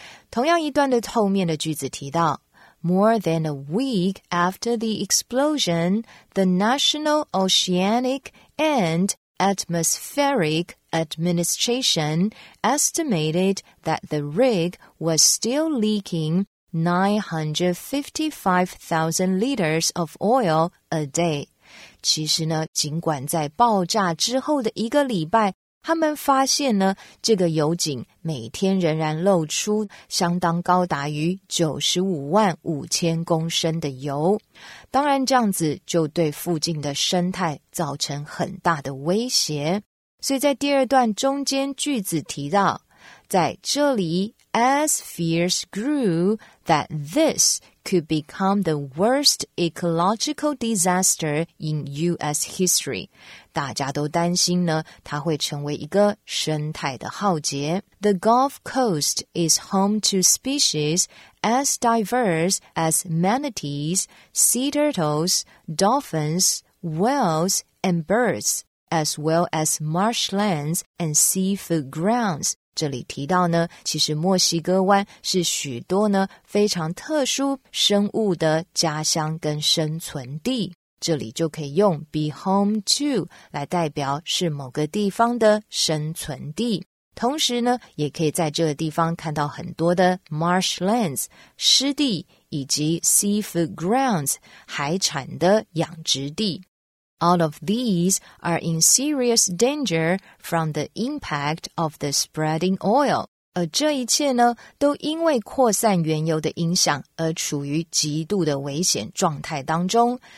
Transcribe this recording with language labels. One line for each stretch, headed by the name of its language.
Chinese: 同样一段的后面的句子提到
English: More than a week after the explosion, the National Oceanic and Atmospheric Administration estimated that the rig was still leaking 955,000 liters of oil a day.
Chinese: 其实呢，尽管在爆炸之后的一个礼拜，他们发现呢，这个油井每天仍然漏出相当高达于95万5000公升的油。当然这样子就对附近的生态造成很大的威胁。所以在第二段中间句子提到，在这里
English: as fears grew that this could become the worst ecological disaster in US history.
Chinese: 大家都担心呢，它会成为一个生态的浩劫。
English: The Gulf Coast is home to species as diverse as manatees, sea turtles, dolphins, whales, and birds, as well as marshlands and seafood grounds.
Chinese: 这里提到呢，其实墨西哥湾是许多呢非常特殊生物的家乡跟生存地。这里就可以用 be home to 来代表是某个地方的生存地。同时呢，也可以在这个地方看到很多的 marshlands 湿地以及 seafood grounds 海产的养殖地。
English: All of these are in serious danger from the impact of the spreading oil.
Chinese: 而这一切呢，都因为扩散原油的影响而处于极度的危险状态当中。